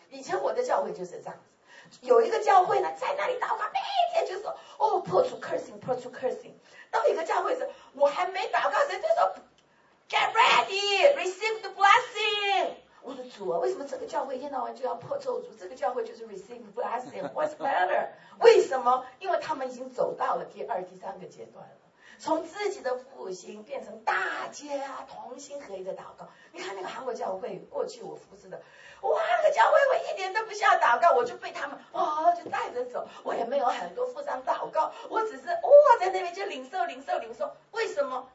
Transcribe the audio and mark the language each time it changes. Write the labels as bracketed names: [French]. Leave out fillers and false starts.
[Chinese] 以前我的教会就是这样子，有一个教会呢，在那里祷告，每天就说，哦，破除 cursing， 破除 cursing。到一个教会是，我还没祷告，神就说 ， [English] get ready，receive the blessing。 [Chinese] 我说主啊，为什么这个教会一天到晚就要破咒诅？这个教会就是 [English] receive the blessing，what's better？ [Chinese] 为什么？因为他们已经走到了第二、第三个阶段了，从自己的复兴变成大家同心合一的祷告。你看那个韩国教会，过去我服侍的。哇，那个教会我一点都不需要祷告，我就被他们哇、哦、就带着走，我也没有很多附上祷告，我只是哇、哦、在那边就领受领受领受。为什么？